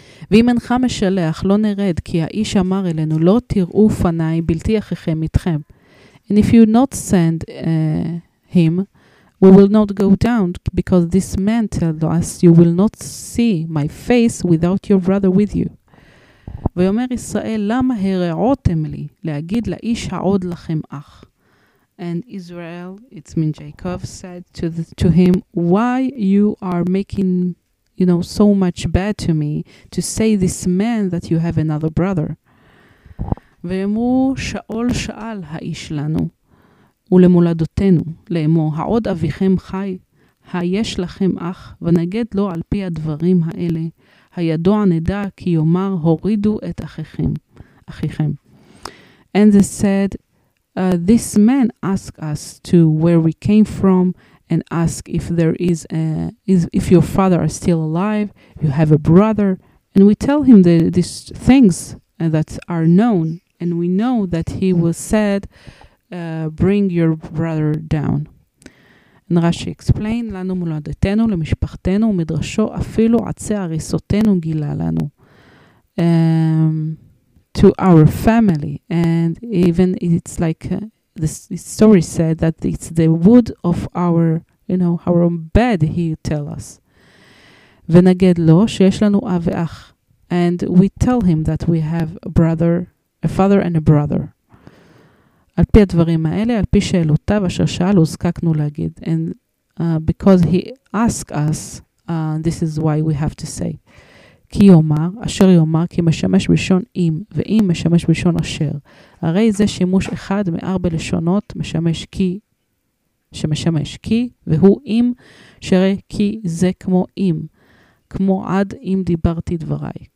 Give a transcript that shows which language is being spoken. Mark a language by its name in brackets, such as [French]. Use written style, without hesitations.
[Hebrew] ואם אינך משלח, לא נרד, כי האיש אמר אלינו, לא תראו פניי בלתי אחיכם איתכם. [English] And if you not send him, we will not go down, because this man told us, you will not see my face without your brother with you. [Hebrew] ויאמר ישראל, למה הרעותם לי להגיד לאיש העוד לכם אח? [English] And Israel, it's mean Jacob, said to him, why you are making, you know, so much bad to me to say this man that you have another brother. [Hebrew] ואמרו, שאול שאל האיש לנו ולמולדותינו, לאמור, העוד אביכם חי, היש לכם אח, ונגד לו על פי הדברים האלה, הידוע נדע כי יאמר, הורידו את אחיכם. [English] And they said, this man asked us to where we came from and asked if there is if your father is still alive, you have a brother, and we tell him these things that are known, and we know that he was said, bring your brother down. And Rashi explained, [Hebrew] לנו מולדתנו, למשפחתנו, ומדרשו, אפילו עצי הריסותנו גילה לנו. [English] To our family, and even it's like the story said that it's the wood of our, you know, our own bed, he tell us. [Hebrew] ונגד לו שיש לנו אב ואח, [English] and we tell him that we have a brother, a father and a brother. [Hebrew] על פי הדברים האלה, על פי שאלותיו אשר שאל, הוזקקנו להגיד, [English] and because he asked us, this is why we have to say. [Hebrew] כי יאמר, אשר יאמר, כי משמש בלשון אם, ואם משמש בלשון אשר. הרי זה שימוש אחד מארבע לשונות, משמש כי, שמשמש כי, והוא אם, שרי כי זה כמו אם, כמו עד אם דיברתי דבריי.